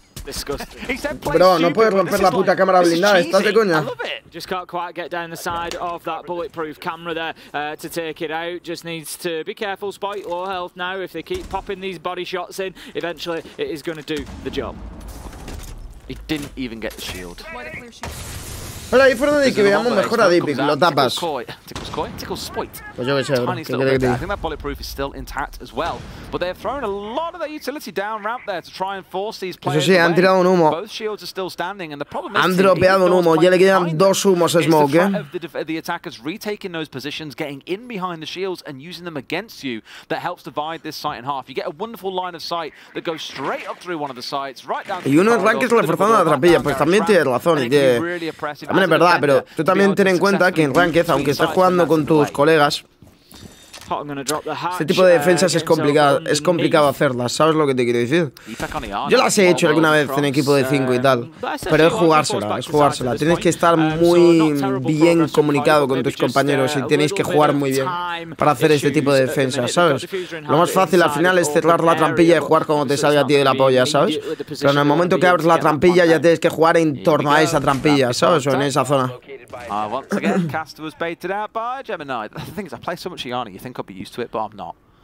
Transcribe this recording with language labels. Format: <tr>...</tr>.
<es>Bro, no puedes romper la puta cámara blindada, estás de coña.</es> <en>Just can't quite get down the side of that bulletproof camera there to take it out. Just needs to be careful, Spite, low health now. If they keep popping these body shots in, eventually it is going to do the job. He didn't even get the shield.</en> <es>Pero ahí fueron de que veamos mejor a Deepik, lo tapas. Pues yo que sé, bro. ¿Qué crees que diga?</es> <en>I think that bulletproof is still intact as well. But they have thrown a lot of their utility down ramp there to try and force these players.</en> <es>Eso sí, han tirado un humo.</es> <en>Both shields are still standing and the problem is</en> <es>han dropeado un humo. Ya le quedan dos humos a Smoke,</es> <en>the attackers retaking those positions, getting in behind the shields and using them against you that helps divide this site in half. You get a wonderful line of sight that goes straight up through one of the sites, right down.</en> <es>Y uno en rank es reforzando la trampilla, pues también tiene razón. Y que también es verdad, pero tú también ten en cuenta que en Ranked, aunque estés jugando con tus colegas, este tipo de defensas es complicado hacerlas, ¿sabes lo que te quiero decir? Yo las he hecho alguna vez en equipo de 5 y tal, pero es jugársela, tienes que estar muy bien comunicado con tus compañeros y tenéis que jugar muy bien para hacer este tipo de defensas, ¿sabes? Lo más fácil al final es cerrar la trampilla y jugar como te salga a ti de la polla, ¿sabes? Pero en el momento que abres la trampilla ya tienes que jugar en torno a esa trampilla, ¿sabes? O en esa zona.</es> <en>Once again, Caster was baited out by Gemini. The thing is, I play so much Yanni, you think I'd be used to it, but I'm not.</en>